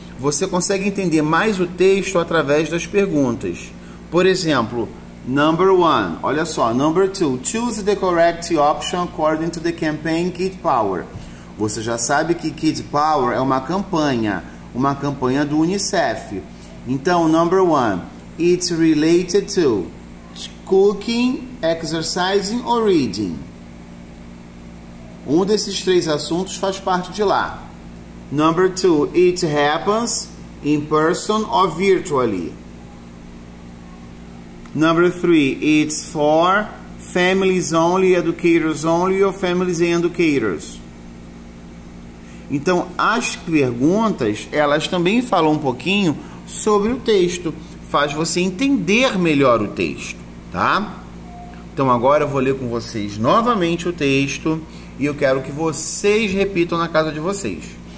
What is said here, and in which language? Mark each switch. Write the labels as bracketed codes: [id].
[pt] Você consegue entender mais o texto através das perguntas. Por exemplo, [en] number one, [pt] olha só, [en] number two, choose the correct option according to the campaign Kid Power. [pt] Você já sabe que Kid Power é uma campanha do Unicef. [en] Então, number one, it's related to cooking, exercising or reading. [pt] Um desses três assuntos faz parte de lá. [en] Number two, it happens in person or virtually. Number three, it's for families only, educators only or families and educators. [pt] Então, as perguntas, elas também falam um pouquinho sobre o texto. Faz você entender melhor o texto, tá? Então, agora eu vou ler com vocês novamente o texto e eu quero que vocês repitam na casa de vocês.